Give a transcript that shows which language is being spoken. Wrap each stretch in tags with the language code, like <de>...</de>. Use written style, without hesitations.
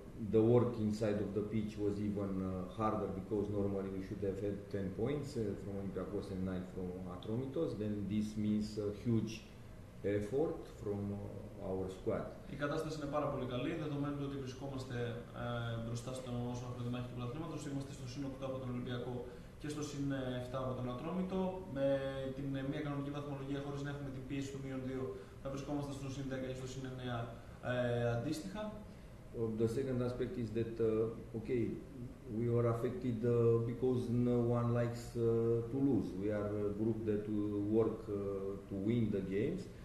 <en>The work inside of the pitch was even harder because normally we should have had 10 points from Olympiacos and 9 from Atromitos. Then this means a huge effort from our squad.</en> <el>Η κατάσταση είναι πάρα πολύ καλή, δεδομένου ότι βρισκόμαστε μπροστά στον όσον αφορά τη μάχη του πρωταθλήματος. Είμαστε στο σύν 8 από τον Ολυμπιακό και στο σύν 7 από τον Ατρόμητο. Με την μία κανονική βαθμολογία, χωρίς να έχουμε την πίεση του μείον 2, θα βρισκόμαστε στο σύν 10 και στο σύν 9 αντίστοιχα.</el> <en>The second aspect is that, okay, we are affected because no one likes to lose. We are a group that work to win the games.</en>